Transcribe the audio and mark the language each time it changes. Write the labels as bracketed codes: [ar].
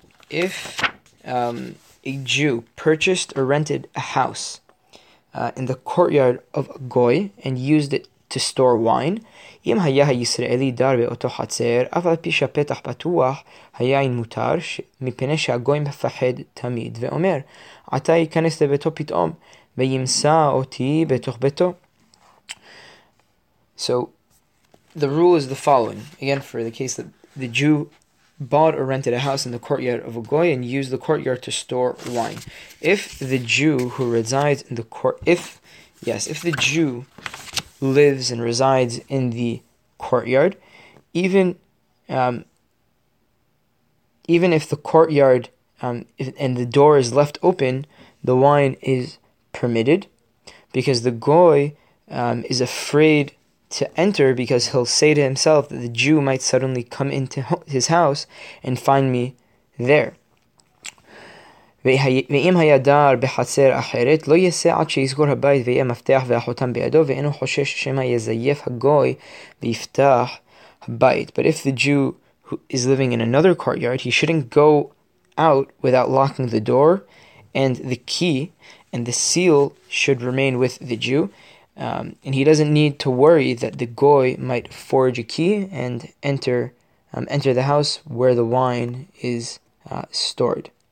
[en] If a Jew purchased or rented a house in the courtyard of a goy and used it to store wine, [he] אם היה הישראלי דר באותו חצר, אף על פי שהפתח פתוח, היין מותר, מפני שהגוי מפחד תמיד, ואומר, עתה ייכנס לביתו פתאום, וימסה אותי בתוך ביתו. [en] So, the rule is the following. Again, for the case that the Jew bought or rented a house in the courtyard of a goy and used the courtyard to store wine. If the Jew who resides in the court, if the Jew lives and resides in the courtyard, even if the courtyard and the door is left open, the wine is permitted, because the goy is afraid to enter, because he'll say to himself that the Jew might suddenly come into his house and find me there. [he] ואם היה דר בחצר אחרת, לא יעשה עד שיסגור הבית ויהיה מפתח והחותם בידו, ואינו חושש שמא יזייף הגוי ויפתח הבית. [en] But if the Jew who is living in another courtyard, he shouldn't go out without locking the door, and the key and the seal should remain with the Jew, and he doesn't need to worry that the goy might forge a key and enter the house where the wine is stored.